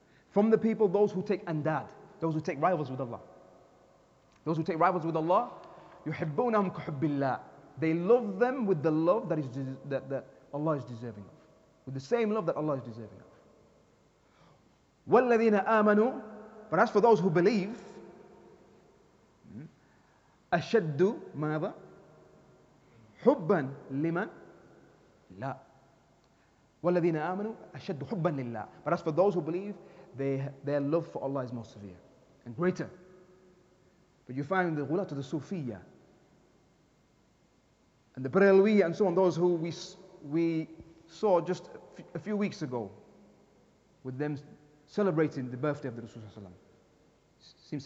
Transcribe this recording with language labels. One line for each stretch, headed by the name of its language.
English: From the people, those who take andad, those who take rivals with Allah. Those who take rivals with Allah,
Arabic: يحبونهم كحب الله.
English: They love them with the love that is that Allah is deserving of, with the same love that Allah is deserving of.
Arabic: والذين آمنوا,
English: but as for those who believe,
Arabic: أشد ماذا حبا لمن لا والذين آمنوا أشد حبا لله.
English: But as for those who believe, their love for Allah is more severe and greater. But you find the ghulat of the Sufiyya and the Brelwi and so on, those who we saw just a few weeks ago with them celebrating the birthday of the Rasul sallallahu alaihi wasallam.